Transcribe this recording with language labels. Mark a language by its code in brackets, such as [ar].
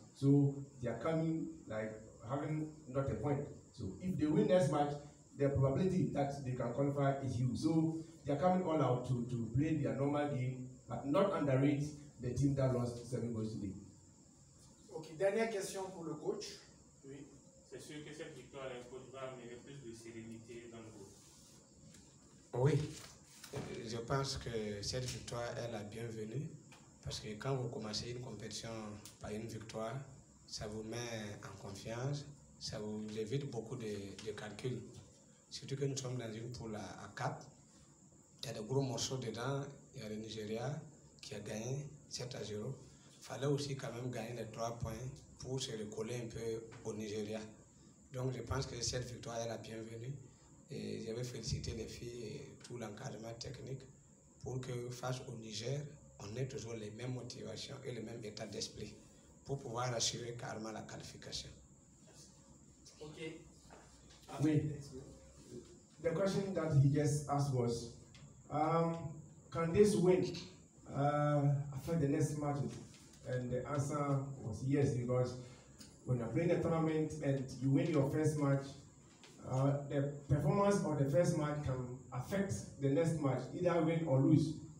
[en] So they are coming like having not a point. So if they win next match, the probability that they can qualify is huge. So they are coming all out to play their normal game, but not underrate the team that lost 7 goals today. [fr] Okay, dernière question pour le coach. Oui, c'est sûr que cette victoire, le coach va amener plus de sérénité dans le groupe. Oui, je pense que cette victoire est la bienvenue parce que quand vous commencez une compétition par une victoire, ça vous met en confiance, ça vous évite beaucoup de calculs. Surtout que nous sommes dans une poule à 4, il y a des gros morceaux dedans, il y a le Nigeria qui a gagné 7-0. Il fallait aussi quand même gagner les 3 points pour se recoller un peu au Nigeria. Donc je pense que cette victoire est la bienvenue. Et je vais féliciter les filles et tout l'encadrement technique pour que face au Niger, on ait toujours les mêmes motivations et le même état d'esprit pour pouvoir assurer carrément la qualification. Ok. Oui. [en] The question that he just asked was, can this win affect the next matches? And the answer was yes, because when you're playing a tournament and you win your first match, the performance of the first match can affect the next match, either win or lose.